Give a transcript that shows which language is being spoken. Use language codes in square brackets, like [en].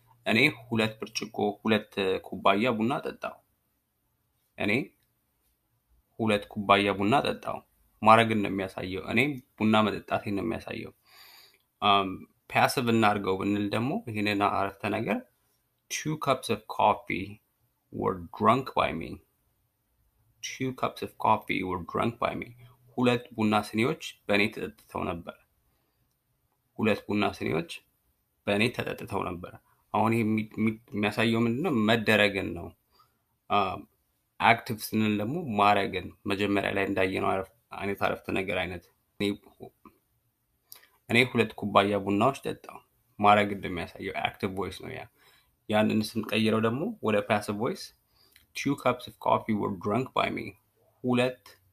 [am] እኔ ሁለት ብርጭቆ ሁለት ኩባያ ቡና ጠጣው። እኔ ሁለት ኩባያ ቡና ጠጣው ማድረግን ነው የሚያሳየው። እኔ ቡና መጠጣቴን ነው የሚያሳየው። ፓሲቭ እናድርገው ብንል ደግሞ ይህንን አረፍተ ነገር [en] two cups of coffee were drunk by me. Two cups of coffee were drunk by me. [am] ሁለት ቡና ስኒዎች በእኔ ተጠጥተው ነበር። ሁለት ቡና ስኒዎች በእኔ ተጠጥተው ነበር። አሁን ይህ የሚያሳየው ምንድነው? መደረግን ነው። አክቲቭ ስንል ደግሞ ማድረግን፣ መጀመሪያ ላይ እንዳየነው አይነት አረፍተ ነገር አይነት። እኔ ሁለት ኩባያ ቡናዎች ጠጣው ማድረግ እንደሚያሳየው አክቲቭ ቮይስ ነው ያ። ያንን ስንቀይረው ደግሞ ወደ ፓሲቭ ቮይስ [en] ቱ ካፕስ ኦፍ ኮፊ ወር ድራንክ ባይ ሚ፣ [am] ሁለት